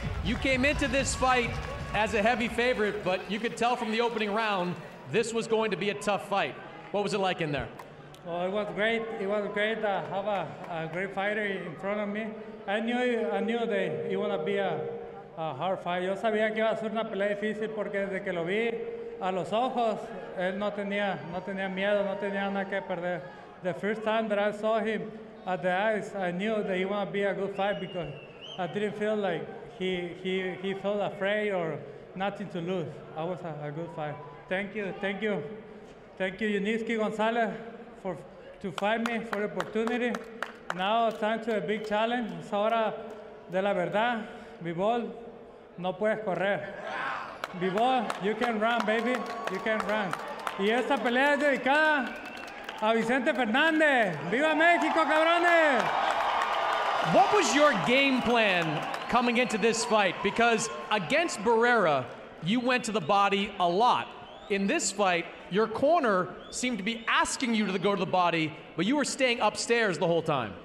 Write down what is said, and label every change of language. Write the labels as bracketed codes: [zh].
[en] You came into this fight as a heavy favorite, but you could tell from the opening round this was going to be a tough fight. What was it like in there? Well, it was great. It was great to have a great fighter in front of me. I knew that it would be a hard fight. [es] Yo sabía que iba a ser una pelea difícil porque desde que lo vi, a los ojos, él no tenía miedo, no tenía nada que perder. [en] The first time that I saw him at the eyes, I knew that he wanted to be a good fight because I didn't feel like he felt afraid or nothing to lose. I was a good fight. Thank you. Thank you, Yunieski Gonzalez, to fight me, for the opportunity. Now time to a big challenge. [es] Es hora de la verdad. [en] Bivol, [es] no puedes correr. [en] Bivol, you can run, baby. You can run. [es] Y esta pelea es dedicada a Vicente Fernández. ¡Viva México, cabrones! [en] What was your game plan coming into this fight? Because against Barrera, you went to the body a lot. In this fight, your corner seemed to be asking you to go to the body, but you were staying upstairs the whole time.